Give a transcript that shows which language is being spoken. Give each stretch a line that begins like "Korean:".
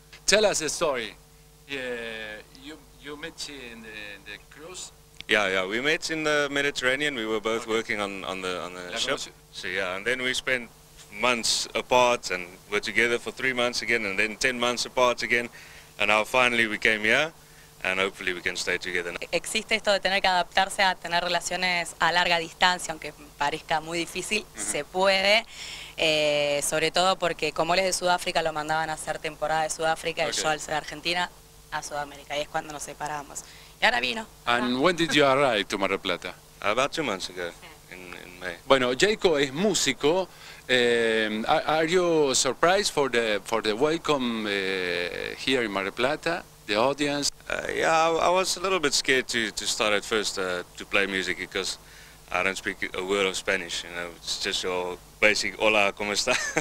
English: Tell us a story. You met in the cruise? Yeah, we met in the Mediterranean. We were both working on the ship. So yeah, and then we spent months apart and we're together for 3 months again and then 10 months apart again and now finally we came here and hopefully we can stay together now.
Spanish: Existe esto de tener que adaptarse a tener relaciones a larga distancia, aunque parezca muy difícil, mm-hmm. Se puede, sobre todo porque como él es de Sudáfrica lo mandaban a hacer temporada de Sudáfrica, okay. Y yo al ser Argentina a Sudamérica, y es cuando nos separamos. Y ahora vino.
English: And when did you arrive to Mar del Plata? About 2 months ago, in May.
Spanish: Bueno, Jaco es músico.
English: Are you surprised for the welcome here in Mar del Plata, the audience? Yeah, I was a little bit scared to start at first to play music because I don't speak a word of Spanish, you know, it's just your basic
Spanish: hola, ¿cómo está?